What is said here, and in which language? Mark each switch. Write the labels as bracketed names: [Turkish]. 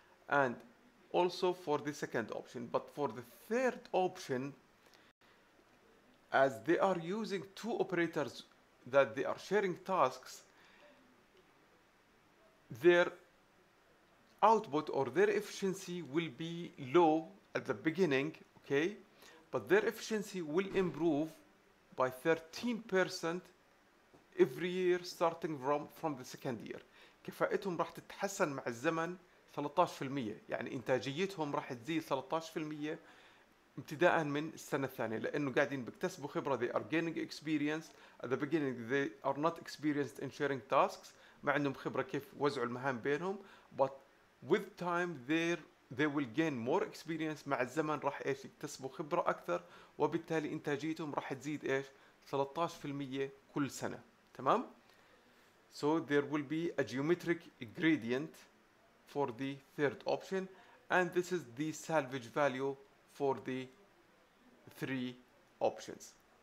[English] And also for the second option. But for the third option, as they are using two operators that they are sharing tasks, their output or their efficiency will be low at the beginning, okay, but their efficiency will improve by 13% every year starting from the second year. [Arabic] كفاءتهم راح تتحسن مع الزمن 13%، يعني انتاجيتهم راح تزيد 13% ابتداء من السنه الثانيه، لانه قاعدين بيكتسبوا خبره. [English] They are gaining experience at the beginning. They are not experienced in sharing tasks. [Arabic] ما عندهم خبرة كيف وزعوا المهام بينهم. [English] But with time they will gain more experience. [Arabic] مع الزمن راح ايش يكتسبوا خبرة اكثر، وبالتالي انتاجيتهم راح تزيد ايش 13% كل سنة. تمام. [English] So there will be a geometric gradient for the third option, and this is the salvage value for the three options.